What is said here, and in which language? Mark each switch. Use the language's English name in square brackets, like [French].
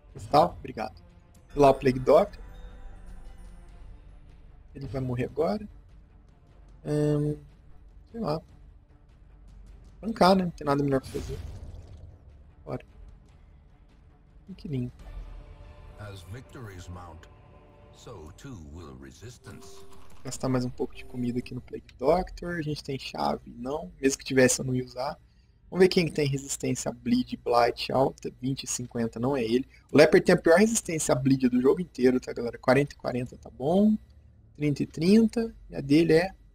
[Portuguese] Tal, obrigado. E lá o Plague Doctor. Ele vai morrer agora. Sei lá. Brincar, né? Não tem nada melhor pra fazer. Bora. Inquilino. [English] As victories mount, so too will resistance. [Portuguese] Gastar mais um pouco de comida aqui no Plague Doctor. A gente tem chave? Não. Mesmo que tivesse, eu não ia usar. Vamos ver quem tem resistência a bleed, blight alta. 20 e 50, não é ele. O Leper tem a pior resistência a bleed do jogo inteiro, tá, galera? 40 e 40 tá bom. 30 e 30. E a dele é.